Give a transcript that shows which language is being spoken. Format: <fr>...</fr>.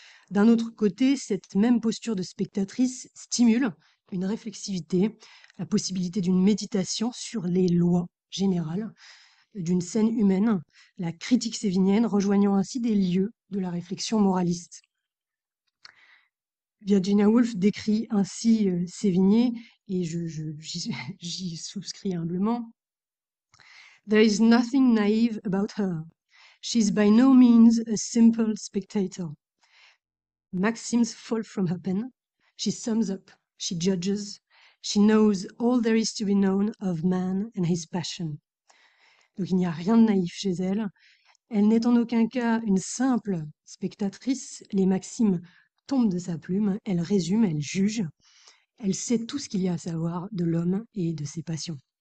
<fr>D'un autre côté, cette même posture de spectatrice stimule une réflexivité, la possibilité d'une méditation sur les lois générales d'une scène humaine, la critique sévinienne rejoignant ainsi des lieux de la réflexion moraliste. Virginia Woolf décrit ainsi Sévigné, et j'y souscris humblement.</fr> <en>There is nothing naive about her. She's by no means a simple spectator. Maxims fall from her pen. She sums up. She judges. She knows all there is to be known of man and his passion.</en> <fr>Donc il n'y a rien de naïf chez elle. Elle n'est en aucun cas une simple spectatrice. Les maximes tombe de sa plume, elle résume, elle juge, elle sait tout ce qu'il y a à savoir de l'homme et de ses passions.</fr>